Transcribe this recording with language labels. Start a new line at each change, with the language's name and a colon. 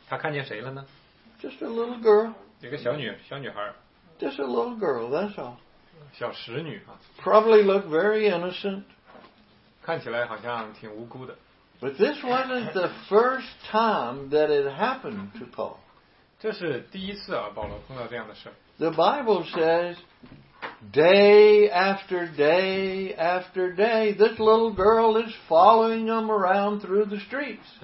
Chinese: 他看见谁了呢?
English: Just a little girl.
Chinese: 一个小女孩。
English: Just a little girl, that's all.
Chinese: 小侍女啊。
English: Probably looked very innocent.
Chinese: 看起来好像挺无辜的。
English: But this wasn't the first time that it happened to Paul.
Chinese: 这是第一次啊,保罗碰到这样的事。
English: The Bible says, day after day after day, this little girl is following him around through the streets.